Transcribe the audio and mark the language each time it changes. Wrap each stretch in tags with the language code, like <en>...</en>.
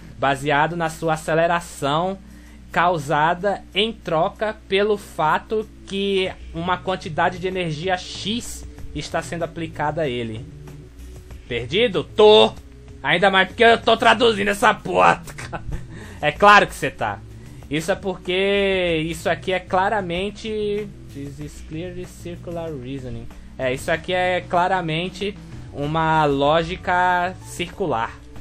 <pt>Baseado na sua aceleração causada em troca pelo fato que uma quantidade de energia X está sendo aplicada a ele. Perdido? Tô! Ainda mais porque eu tô traduzindo essa porra! É claro que você tá. Isso é porque isso aqui é claramente...</pt> <en>This is clearly circular reasoning.</en> <pt>Isso aqui é claramente uma lógica circular.</pt>